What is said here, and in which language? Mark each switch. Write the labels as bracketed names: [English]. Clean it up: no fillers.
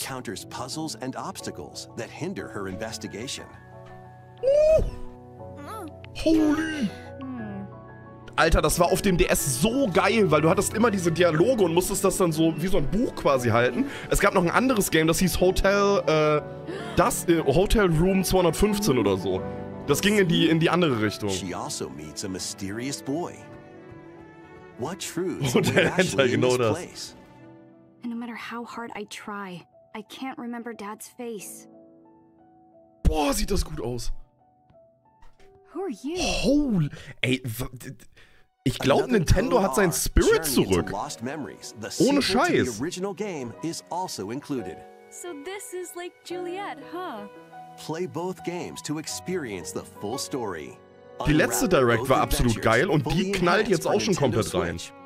[English] She encounters puzzles and obstacles that hinder her investigation. Holy! [German] Alter, das war auf dem DS so geil, weil du hattest immer diese Dialoge und musstest das dann so wie so ein Buch quasi halten. Es gab noch ein anderes Game, das hieß Hotel Room 215 oder so. Das ging in die andere Richtung. [English] She also meets a mysterious boy. What [German] Hotel Enter, genau das. [English] And no matter how hard I try, I can't remember Dad's face. [German] Boah, sieht das gut aus. [English] Who are you? [German] Holy, ey, ich glaube Nintendo hat sein Spirit zurück. Ohne Scheiß. [English] The original game is also included. So this is like Juliet, huh? Play both games to experience the full story. [German] Die letzte Direct war absolut geil und die knallt jetzt auch schon komplett rein.